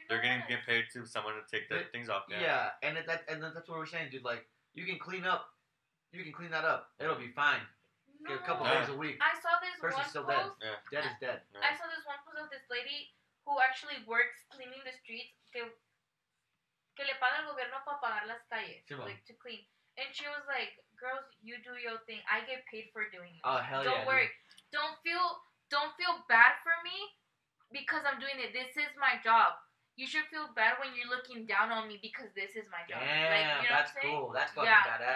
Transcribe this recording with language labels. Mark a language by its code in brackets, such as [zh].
[en] They're getting paid to someone to take the things off. Yeah, and that's what we're saying, dude. Like, you can clean that up. It'll be fine. No. A couple days a week. I saw this person's one still post. Dead. Yeah. Dead is dead. Yeah. I saw this one post of this lady who actually works cleaning the streets. [es] Que le paga el gobierno para pagar las calles. Sí, [en] like, to clean. And she was like, girls, you do your thing. I get paid for doing this. Oh, hell don't yeah. Worry. Dude. Don't feel bad for me because I'm doing it. This is my job. You should feel bad when you're looking down on me because this is my job. Damn, like, you know that's what I'm cool. That's fucking badass.